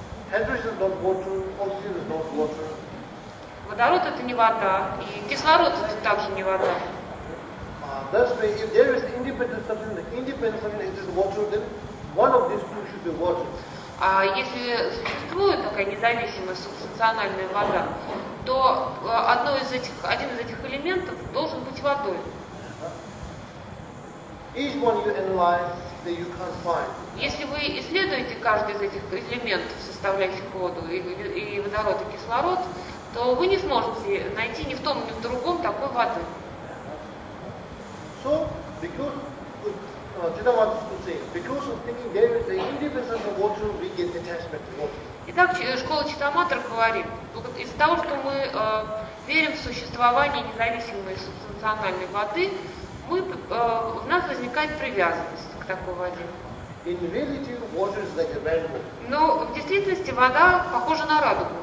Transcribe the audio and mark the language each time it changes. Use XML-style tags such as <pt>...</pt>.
<en>Hydrogen is not water, oxygen is not water.</en> <ru>Водород – это не вода, и кислород – это также не вода.</ru> <en>Thus, if there is independent substance, the independent substance is water, then one of these two should be water.</en> <ru>А если существует такая независимая субстанциональная вода, то одно из этих, один из этих элементов должен быть водой.</ru> <en>Each one you analyze, then you can find.</en> <ru>Если вы исследуете каждый из этих элементов, составляющих воду, и водород, и кислород, то вы не сможете найти ни в том, ни в другом такой воды.</ru> <en>So, because of thinking there is an independence of water, we get attachment to water.</en> <ru>Итак, школа Читаматор говорит, из-за того, что мы верим в существование независимой субстанциональной воды, мы, у нас возникает привязанность к такой воде.</ru> <en>In reality, water is like a rainbow.</en> <ru>Но в действительности вода похожа на радугу.</ru>